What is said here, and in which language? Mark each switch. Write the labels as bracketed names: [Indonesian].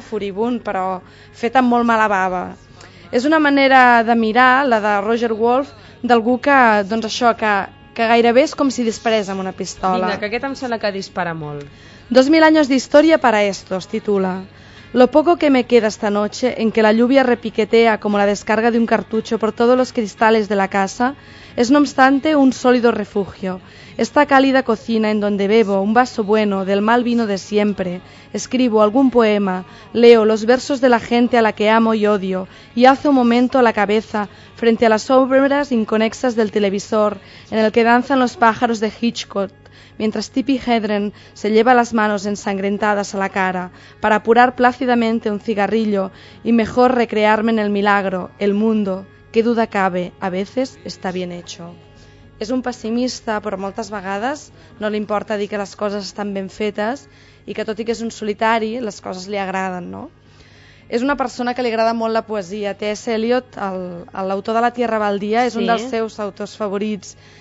[Catalan] Furibund, però fet amb molt mala bava. És una manera de mirar, la de Roger Wolf, d'algú que, doncs això, que gairebé és com si disparés amb una pistola. Vinga, que aquest em sembla que dispara molt. 2000 anys d'història per a estos, titula. [Spanish] Lo poco que me queda esta noche en que la lluvia repiquetea como la descarga de un cartucho por todos los cristales de la casa es no obstante un sólido refugio. Esta cálida cocina en donde bebo un vaso bueno del mal vino de siempre, escribo algún poema, leo los versos de la gente a la que amo y odio y hace un momento la cabeza frente a las sombras inconexas del televisor en el que danzan los pájaros de Hitchcock. Mientras Tippi Hedren se lleva las manos ensangrentadas a la cara para apurar plácidamente un cigarrillo y mejor recrearme en el milagro, el mundo, qué duda cabe, a veces está bien hecho. [Catalan] És un pessimista, però moltes vegades no li importa dir que les coses estan ben fetes i que tot i que és un solitari, les coses li agraden, no? És una persona que li agrada molt la poesia. T.S. Eliot, l'autor de La Tierra Baldía, és un dels seus autors favorits.